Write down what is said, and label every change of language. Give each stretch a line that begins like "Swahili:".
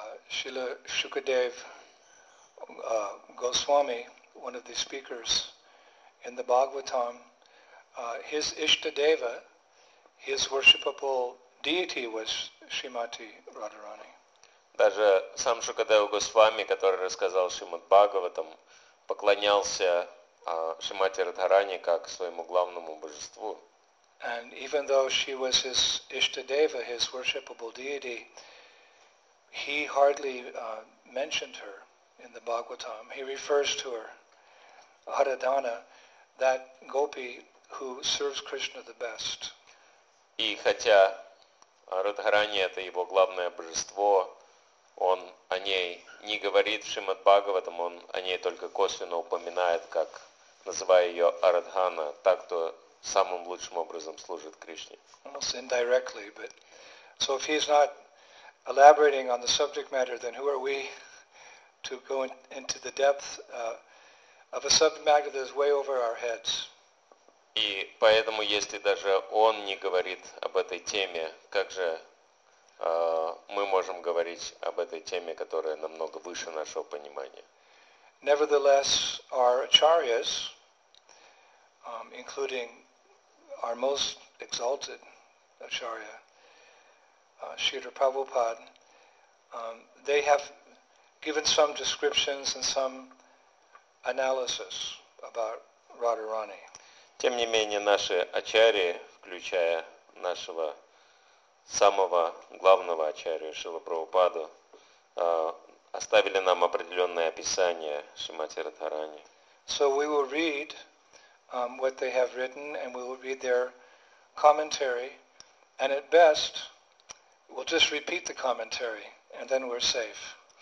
English: Shrila Shukadev Goswami, one of the speakers in the Bhagavatam, his Ishtadeva, his worshipable deity was Shrimati Radharani.
Russian: Даже сам Шукадева Госвами, который рассказал Шримад Бхагаватам, поклонялся Шримати Радхарани как своему главному божеству.
English: And even though she was his Ishtadeva, his worshipable deity, he hardly mentioned her in the Bhagavatam. He refers to her, Haradana, that gopi who serves Krishna the best.
Russian: И хотя Радхарани это его главное божество, он о ней не говорит в Шримад Бхагаватам, он о ней только косвенно упоминает, как называя ее Арадхана, та, кто самым лучшим образом служит Кришне.
English: Almost indirectly, but so if he's not elaborating on the subject matter, then who are we to go into the depth of a subject matter that is way over our heads?
Russian: И поэтому, если даже он не говорит об этой теме, как же мы можем говорить об этой теме, которая намного выше нашего понимания?
English: Nevertheless, our acharyas, including our most exalted acharya, Srila Prabhupada, they have given some descriptions and some analysis about Radharani.
Russian: Тем не менее, наши ачарьи, включая нашего самого главного ачарьи Шрилу Прабхупаду, оставили нам определенное описание Шримати Радхарани.
English: So we will read what they have written, and we will read their commentary, and at best, we'll just repeat the commentary, and then we're safe.